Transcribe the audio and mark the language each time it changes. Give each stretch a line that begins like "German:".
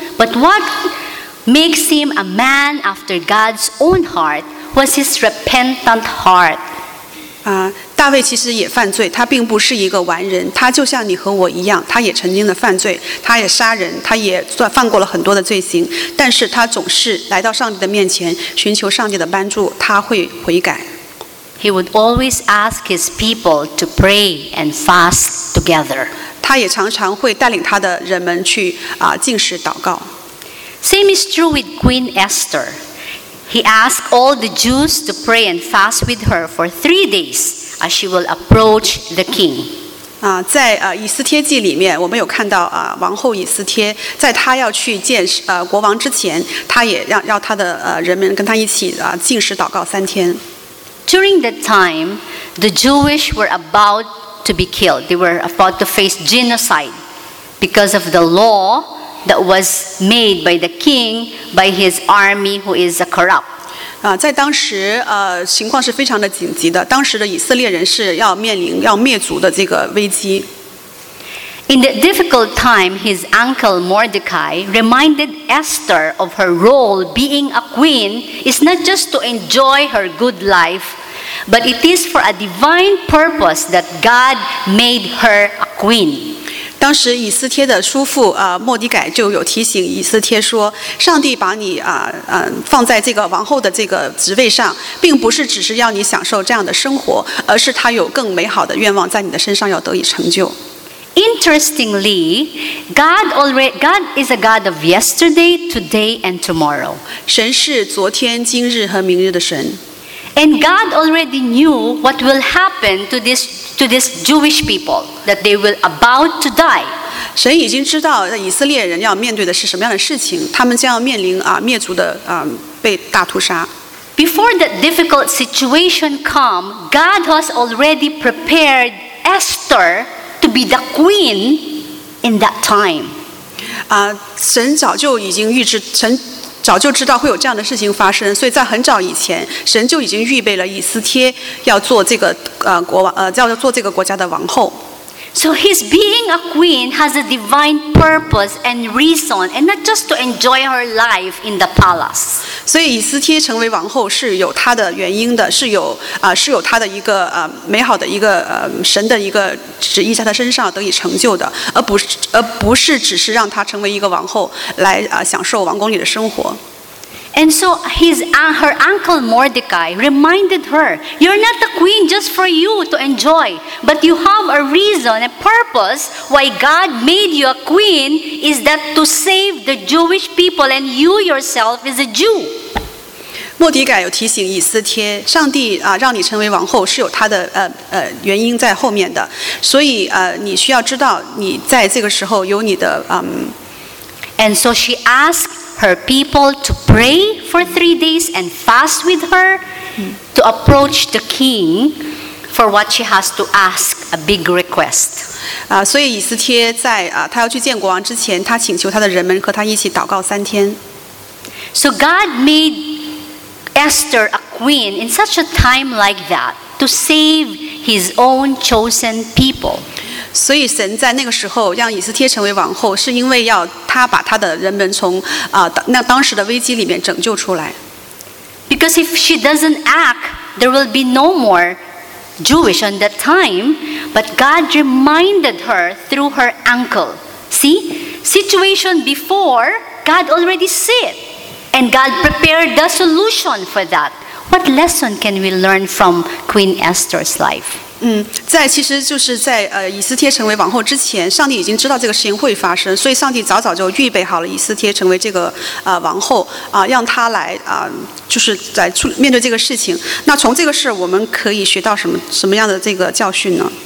English: But what makes him a man after God's own heart was his repentant heart.
Chinese: 大卫其实也犯罪，他并不是一个完人，他就像你和我一样，他也曾经的犯罪，他也杀人，他也犯过了很多的罪行，但是他总是来到上帝的面前，寻求上帝的帮助，他会悔改。
English: He would always ask his people to pray and fast together.
Chinese: 他也常常会带领他的人们去禁食祷告。
English: Same is true with Queen Esther. He asked all the Jews to pray and fast with her for 3 days as she will approach the king.
Chinese: 在以斯帖记里面，我们有看到王后以斯帖，在她要去见国王之前，她也要她的人们跟她一起禁食祷告三天。
English: During that time, the Jewish were about to be killed. They were about to face genocide because of the law that was made by the king, by his army, who is corrupt.
Chinese: 在当时，情况是非常的紧急的。当时的以色列人是要面临要灭族的这个危机。
English: In that difficult time, his uncle Mordecai reminded Esther of her role being a queen is not just to enjoy her good life, but it is for a divine purpose that God made her a queen.
Chinese: 当时以斯帖的叔父莫迪改就有提醒以斯帖说，上帝把你放在这个王后的这个职位上，并不是只是要你享受这样的生活，而是他有更美好的愿望在你的身上要得以成就。
English: Interestingly, God is a God of yesterday, today, and tomorrow.
Chinese: 神是昨天、今日和明日的神。
English: And God already knew what will happen to this Jewish people, that they will about to die.
Chinese: 神已经知道以色列人要面对的是什么样的事情，他们将要面临灭族的被大屠杀。
English: Before that difficult situation come, God has already prepared Esther.To be the queen in that time.
Chinese: 神早就已经预知，神早就知道会有这样的事情发生，所以在很早以前，神就已经预备了以斯帖要做这个国王，要做这个国家的王后。
English: So his being a queen has a divine purpose and reason, and not just to enjoy her life in the palace.
Chinese: 所以以斯帖成为王后是有她的原因的，是有是有她的一个美好的一个神的一个旨意在她身上得以成就的，而不是只是让她成为一个王后来享受王宫里的生活。
English: And so her uncle Mordecai reminded her, "You're not the queen just for you to enjoy, but you have a reason, a purpose why God made you a queen is that to save the Jewish people, and you yourself is a Jew."
Chinese: 莫迪改有提醒以斯帖，上帝让你成为王后是有他的原因在后面的，所以你需要知道你在这个时候有你的
English: And so she asked her people to pray for 3 days and fast with her to approach the king for what she has to ask, a big request.
Chinese: 所以以斯帖在他要去见国王之前，他请求他的人们和他一起祷告三天。
English: So God made Esther a queen in such a time like that to save his own chosen people.
Chinese: 所以神在那个时候让以斯帖成为王后，是因为要他把他的人们从那当时的危机里面拯救出来。
English: Because if she doesn't act, there will be no more Jewish on that time. But God reminded her through her uncle. See, situation before, God already said, and God prepared the solution for that. What lesson can we learn from Queen Esther's life?
Chinese: 在其实就是在以斯帖成为王后之前，上帝已经知道这个事情会发生，所以上帝早早就预备好了以斯帖成为这个王后让她来就是在面对这个事情。那从这个事我们可以学到什么样的这个教训呢？